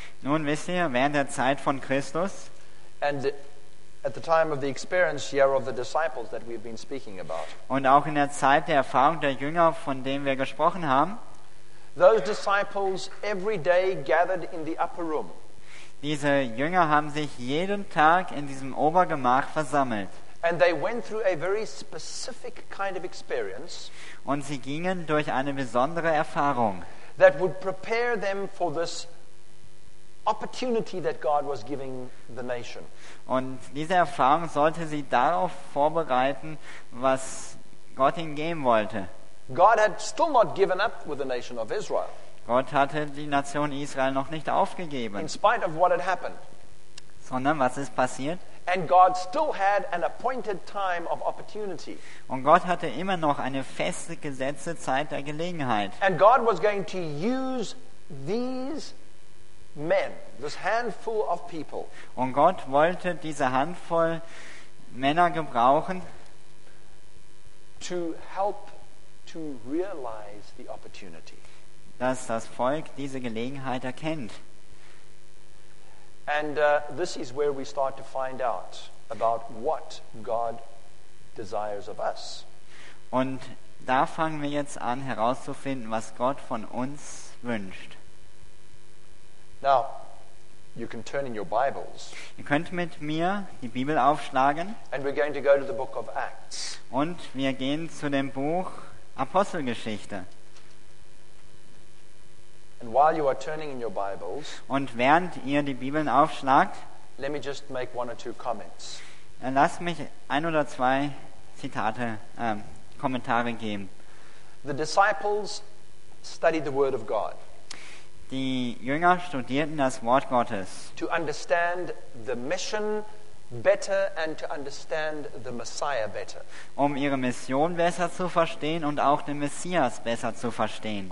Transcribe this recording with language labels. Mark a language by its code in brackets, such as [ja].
[de] Nun wisst ihr, während der Zeit von Christus. [en] And at the time of the experience here of the disciples that we've been speaking about. [de] Und auch in der Zeit der Erfahrung der Jünger, von dem wir gesprochen haben. [en] Those disciples every day gathered in the upper room. [de] Diese Jünger haben sich jeden Tag in diesem Obergemach versammelt. [en] And they went through a very specific kind of experience. [de] Und sie gingen durch eine besondere Erfahrung. [en] That would prepare them for this opportunity that God was giving the nation. [de] Und diese Erfahrung sollte sie darauf vorbereiten, was Gott ihnen geben wollte. [en] God had still not given up with the nation of Israel. [de] Gott hatte die Nation Israel noch nicht aufgegeben. [en] In spite of what had happened. [de] Sondern was ist passiert? [en] And God still had an appointed time of opportunity. [de] Und Gott hatte immer noch eine feste gesetzte Zeit der Gelegenheit. [en] And God was going to use these men, this handful of people. [de] Und Gott wollte diese Handvoll Männer gebrauchen, [en] to help to realize the opportunity. [de] Dass das Volk diese Gelegenheit erkennt. [en] And this is where we start to find out about what God desires of us. [de] Und da fangen wir jetzt an herauszufinden, was Gott von uns wünscht. [en] Now, you can turn in your Bibles. [de] Ihr könnt mit mir die Bibel aufschlagen. [en] And we're going to go to the book of Acts. [de] Und wir gehen zu dem Buch Apostelgeschichte. [en] And while you are turning in your Bibles, [de] und während ihr die Bibeln aufschlagt, [en] let me just make one or two comments. [de] Lass mich ein oder zwei Zitate, Kommentare geben. [en] The disciples studied the word of God. [de] Die Jünger studierten das Wort Gottes. [en] To understand the mission better and to understand the Messiah better. [de] Um ihre Mission besser zu verstehen und auch den Messias besser zu verstehen.